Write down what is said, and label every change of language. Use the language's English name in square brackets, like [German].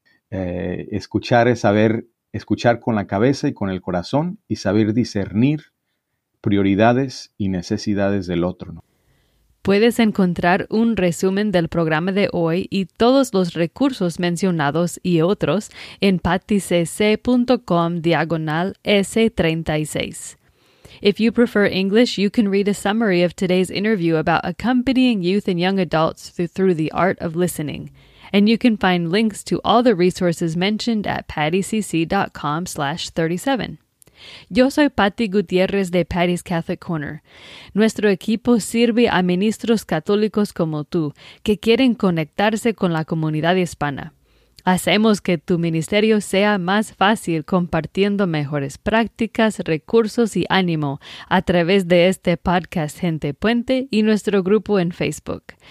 [Spanish] Escuchar es saber escuchar con la cabeza y con el corazón y saber discernir prioridades y necesidades del otro, ¿no? Puedes encontrar un resumen del programa de hoy y todos los recursos mencionados y otros en patticc.com/S36. [English] If you prefer English, you can read a summary of today's interview about accompanying youth and young adults through the art of listening. And you can find links to all the resources mentioned at patticc.com/37. [Spanish] Yo soy Patti Gutiérrez de Patty's Catholic Corner. Nuestro equipo sirve a ministros católicos como tú, que quieren conectarse con la comunidad hispana. Hacemos que tu ministerio sea más fácil compartiendo mejores prácticas, recursos y ánimo a través de este podcast Gente Puente y nuestro grupo en Facebook.